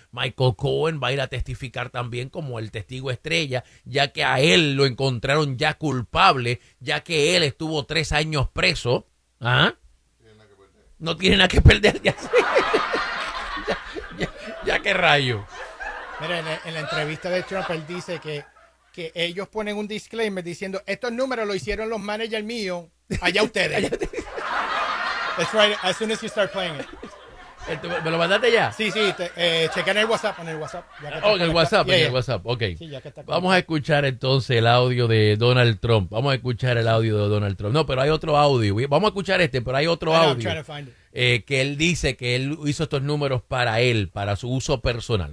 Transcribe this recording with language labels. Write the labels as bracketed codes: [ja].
[es] Michael Cohen va a ir a testificar también como el testigo estrella, ya que a él lo encontraron ya culpable, ya que él estuvo 3 años preso. ¿Ah? No tiene nada que perder, ya. ya qué rayo. Mira, en la entrevista de Trump, él dice que ellos ponen un disclaimer diciendo, estos números lo hicieron los managers míos, allá ustedes. [en] That's right, as soon as you start playing it. [es] ¿Me lo mandaste ya? Sí, sí, chequen el WhatsApp, en el WhatsApp. Ya que en el WhatsApp, yeah, en el WhatsApp, ok. Sí, ya que está. Vamos a escuchar entonces el audio de Donald Trump. Vamos a escuchar el audio de Donald Trump. No, pero hay otro audio. Vamos a escuchar este, pero hay otro audio. Que él dice que él hizo estos números para él, para su uso personal.